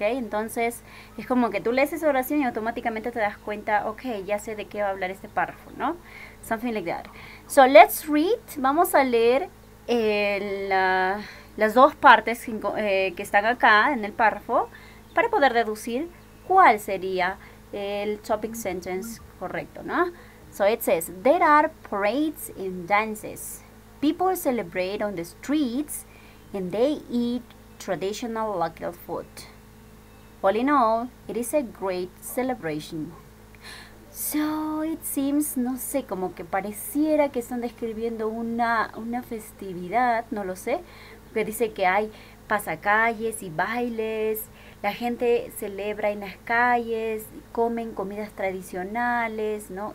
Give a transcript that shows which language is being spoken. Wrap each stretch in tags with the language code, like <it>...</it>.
<es>Entonces, es como que tú lees esa oración y automáticamente te das cuenta, ok, ya sé de qué va a hablar este párrafo, ¿no?</es> <en>Something like that. So, let's read,</en> <es>vamos a leer las 2 partes que están acá en el párrafo para poder deducir cuál sería el topic sentence correcto, ¿no?</es> <en>So, it says, there are parades and dances. People celebrate on the streets and they eat traditional local food. All in all, it is a great celebration. So, it seems,</en> <es>no sé, como que pareciera que están describiendo una festividad, no lo sé, porque dice que hay pasacalles y bailes, la gente celebra en las calles, comen comidas tradicionales, ¿no?</es>